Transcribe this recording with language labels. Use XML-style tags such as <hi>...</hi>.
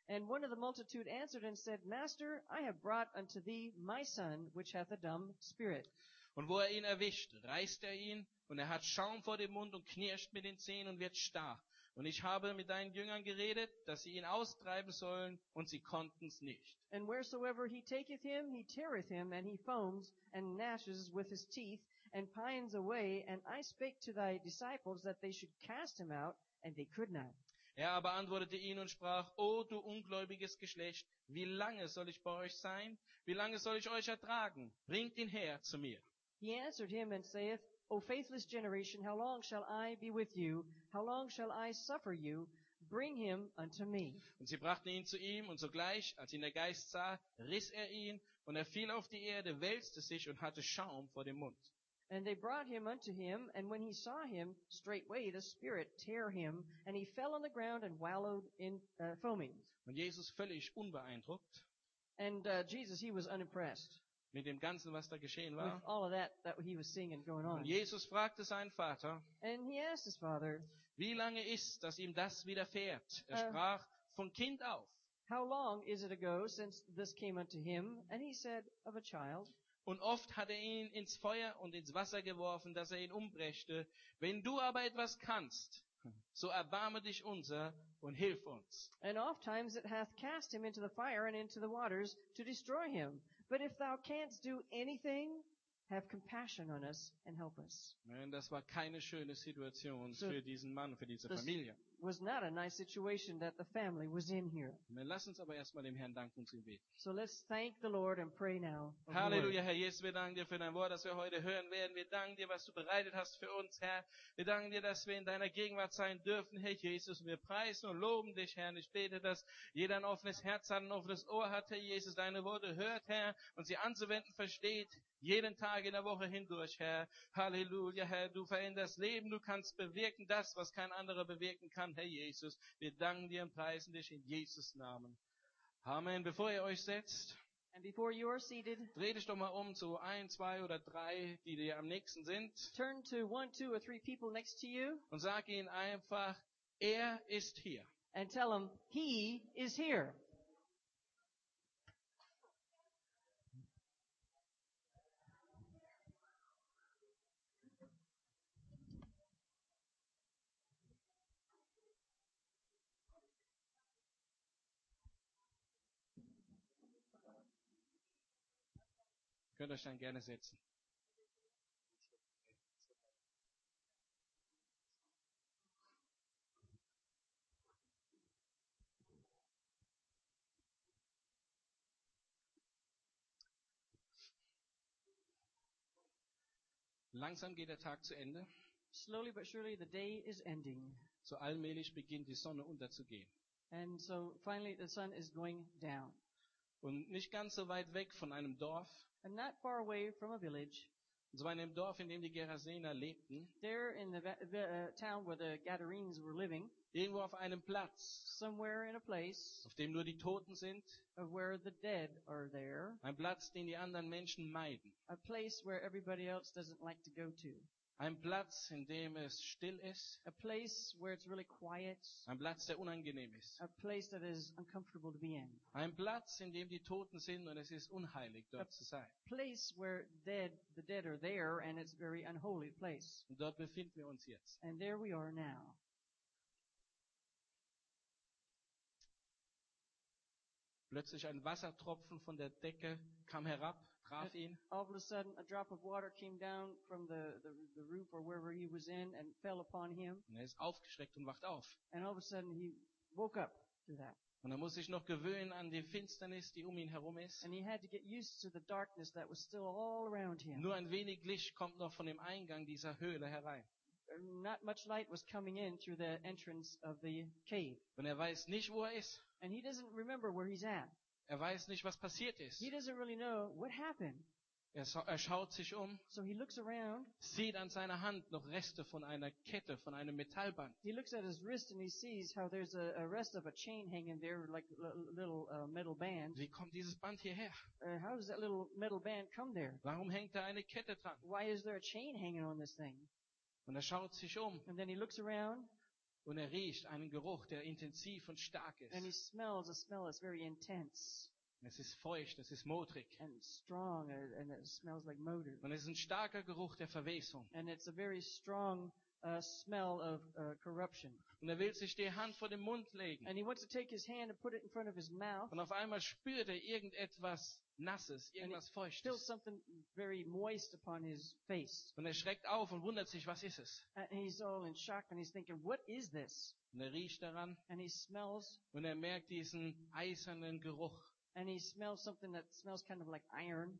<en>And one of the multitude answered and said, Master, I have brought unto thee my son, which hath a dumb spirit.</en> <de>Und wo er ihn erwischt, reißt er ihn, und er hat Schaum vor dem Mund und knirscht mit den Zähnen und wird starr. Und ich habe mit deinen Jüngern geredet, dass sie ihn austreiben sollen, und sie konnten's nicht.</de> <en>And wheresoever he taketh him, he teareth him, and he foams and gnashes with his teeth, and pines away, and I spake to thy disciples that they should cast him out, and they could not.</en> <de>Er aber antwortete ihnen und sprach, O du ungläubiges Geschlecht, wie lange soll ich bei euch sein? Wie lange soll ich euch ertragen? Bringt ihn her zu mir.</de> <en>He answered him and saith, O faithless generation, how long shall I be with you? How long shall I suffer you? Bring him unto me.</en> <de>Und sie brachten ihn zu ihm, und sogleich, als ihn der Geist sah, riss er ihn, und er fiel auf die Erde, wälzte sich und hatte Schaum vor dem Mund.</de> <en>And they brought him unto him, and when he saw him, straightway the spirit tear him, and he fell on the ground and wallowed in foaming.</en> <de>Und Jesus völlig unbeeindruckt.</de> <en>And Jesus, he was unimpressed.</en> <de>Mit dem Ganzen, was da geschehen war.</de> <en>With all of that he was seeing and going on.</en> <de>Und Jesus fragte seinen Vater.</de> <en>And he asked his father.</en> <de>Wie lange ist, dass ihm das widerfährt? Er sprach, von Kind auf.</de> <en>How long is it ago since this came unto him? And he said, of a child.</en> <de>Und oft hat er ihn ins Feuer und ins Wasser geworfen, dass er ihn umbrächte. Wenn du aber etwas kannst, so erbarme dich unser und hilf uns.</de> <en>And oft times it hath cast him into the fire and into the waters to destroy him. But if thou canst do anything, have compassion on us and help us.</en> <de>Nein, das war keine schöne Situation für diesen Mann, für diese Familie.</de> <en>was not a nice situation that the family was in here.</en> <de>Wir lassen uns aber erstmal dem Herrn danken und zu ihm beten.</de> <en>So let's thank the Lord and pray now.</en> <de>Halleluja, Herr Jesus, wir danken dir für dein Wort, das wir heute hören werden. Wir danken dir, was du bereitet hast für uns, Herr. Wir danken dir, dass wir in deiner Gegenwart sein dürfen, Herr Jesus. Wir preisen und loben dich, Herr. Ich bete, dass jeder ein offenes Herz hat, ein offenes Ohr hat, Herr Jesus, deine Worte hört, Herr, und sie anzuwenden versteht, jeden Tag in der Woche hindurch, Herr. Halleluja, Herr, du veränderst Leben, du kannst bewirken das, was kein anderer bewirken kann, Herr Jesus. Wir danken dir und preisen dich in Jesus' Namen. Amen. Bevor ihr euch setzt,</de> <en>and before you are seated,</en> <de>dreht euch doch mal um zu ein, zwei oder drei, die dir am nächsten sind.</de> <en>Turn to one, two or three people next to you,</en> <de>und sag ihnen einfach, er ist hier.</de> <en>And tell them, he is here.</en> <de>Könnt euch dann gerne setzen. Langsam geht der Tag zu Ende.</de> <en>Slowly but surely the day is ending.</en> <de>So allmählich beginnt die Sonne unterzugehen.</de> <en>And so finally the sun is going down.</en> <de>Und nicht ganz so weit weg von einem Dorf.</de> <en>And not far away from a village.</en> <de>Und zwar in dem Dorf, in dem die Gerasener lebten.</de> <en>There in the town where the Gadarenes were living.</en> <de>Irgendwo auf einem Platz.</de> <en>Somewhere in a place.</en> <de>Auf dem nur die Toten sind.</de> <en>Of where the dead are there.</en> <de>Ein Platz, den die anderen Menschen meiden.</de> <en>A place where everybody else doesn't like to go to.</en> <de>Ein Platz, in dem es still ist.</de> <en>A place where it's really quiet.</en> <de>Ein Platz, der unangenehm ist.</de> <en>A place that is uncomfortable to be in.</en> <de>Ein Platz, in dem die Toten sind und es ist unheilig, dort zu sein.</de> <en>A place where the dead are there and it's a very unholy place.</en> <de>Und dort befinden wir uns jetzt.</de> <en>And there we are now.</en> <de>Plötzlich ein Wassertropfen von der Decke kam herab.</de> <en>All of a sudden, a drop of water came down from the roof or wherever he was in and fell upon him.</en> <de>Und er ist aufgeschreckt und wacht auf.</de> <en>And all of a sudden, he woke up to that.</en> <de>Und er muss sich noch gewöhnen an die Finsternis, die um ihn herum ist.</de> <en>And he had to get used to the darkness that was still all around him.</en> <de>Nur ein wenig Licht kommt noch von dem Eingang dieser Höhle herein.</de> <en>Not much light was coming in through the entrance of the cave.</en> <de>Und er weiß nicht, wo er ist.</de> <en>And he doesn't remember where he's at.</en> <de>Er weiß nicht, was passiert ist.</de> <en>He doesn't really know what happened.</en> <de>Er schaut sich um,</de> <en>so he looks around,</en> <de>sieht an seiner Hand noch Reste von einer Kette, von einem Metallband.</de> <en>He looks at his wrist and he sees how there's a rest of a chain hanging there, like a little metal band.</en> <de>Wie kommt dieses Band hierher?</de> <en>How does that little metal band come there?</en> <de>Warum hängt da eine Kette dran?</de> <en>Why is there a chain hanging on this thing?</en> <de>Und er schaut sich um.</de> <en>And then he looks around.</en> <de>Und er riecht einen Geruch, der intensiv und stark ist.</de> <en>And he smells a smell that's very intense.</en> <de>Es ist feucht, es ist motrig.</de> <en>And strong, and it smells like motor.</en> <de>Und es ist ein starker Geruch der Verwesung.</de> <en>And it's a very strong smell of corruption.</en> <de>Und er will sich die Hand vor den Mund legen.</de> <en>And he wants to take his hand and put it in front of his mouth.</en> <de>Und auf einmal spürt er irgendetwas Nasses, irgendwas Feuchtes.</de> <en>Feels something very moist upon his face.</en> <de>Und er schreckt auf und wundert sich, was ist es?</de> <en>And he's all in shock and he's thinking, what is this?</en> <de>Und er riecht daran.</de> <en>And he smells.</en> <de>Und er merkt diesen eisernen Geruch.</de> <en>And he smells something that smells kind of like iron.</en>